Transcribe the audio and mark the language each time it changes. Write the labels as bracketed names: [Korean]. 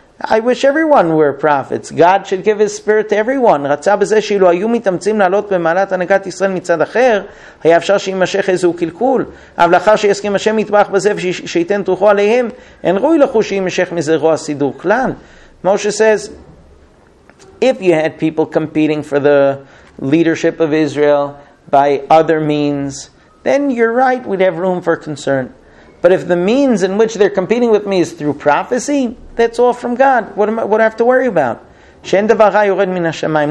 [English] I wish everyone were prophets. God should give his spirit to everyone. [Hebrew] רצה בזה שאילו היו מתאמצים לעלות במעלת הנהגת ישראל מצד אחר, היה אפשר שימשך איזשהו קלקול. אבל לאחר שיסכים השם יתברך בזה ושייתן תרוחו עליהם, אין רואי לכו שימשך מזה רוע סידור כלל. [English] Moshe says, if you had people competing for the leadership of Israel by other means, then you're right, we'd have room for concern. But if the means in which they're competing with me is through prophecy, that's all from God. What do I have to worry about? [Hebrew] Shein davar ra yored min hashamayim.